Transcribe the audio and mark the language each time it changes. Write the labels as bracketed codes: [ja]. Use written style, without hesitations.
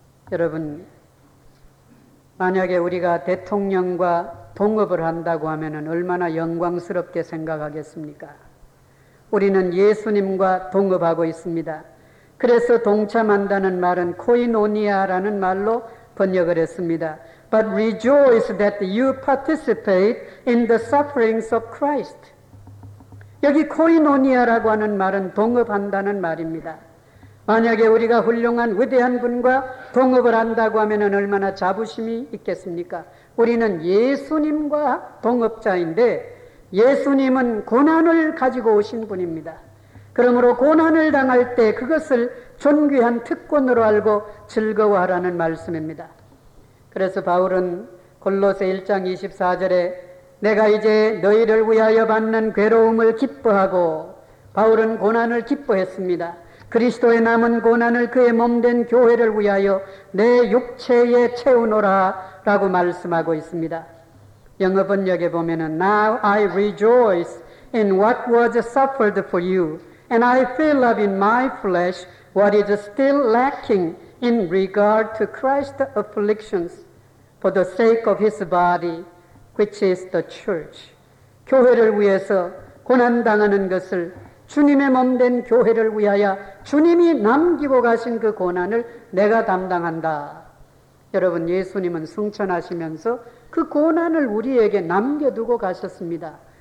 [ko] 여러분, 만약에 우리가 대통령과 동업을 한다고 하면 얼마나 영광스럽게 생각하겠습니까? 우리는 예수님과 동업하고 있습니다. 그래서 동참한다는 말은 코이노니아라는 말로 번역을 했습니다. [en] But rejoice that you participate in the sufferings of Christ. [ko] 여기 코이노니아라고 하는 말은 동업한다는 말입니다. 만약에 우리가 훌륭한 위대한 분과 동업을 한다고 하면 얼마나 자부심이 있겠습니까? 우리는 예수님과 동업자인데 예수님은 고난을 가지고 오신 분입니다. 그러므로 고난을 당할 때 그것을 존귀한 특권으로 알고 즐거워하라는 말씀입니다. 그래서 바울은 골로새 1장 24절에 내가 이제 너희를 위하여 받는 괴로움을 기뻐하고, 바울은 고난을 기뻐했습니다. 그리스도의 남은 고난을 그의 몸된 교회를 위하여 내 육체에 채우노라 라고 말씀하고 있습니다. 영어 번역에 보면은 [en] Now I rejoice in what was suffered for you and I fill up in my flesh what is still lacking in regard to Christ's afflictions for the sake of his body which is the church. [ko] 교회를 위해서 고난당하는 것을, 주님의 몸된 교회를 위하여 주님이 남기고 가신 그 고난을 내가 담당한다. 여러분, 예수님은 승천하시면서 그 고난을 우리에게 남겨두고 가셨습니다.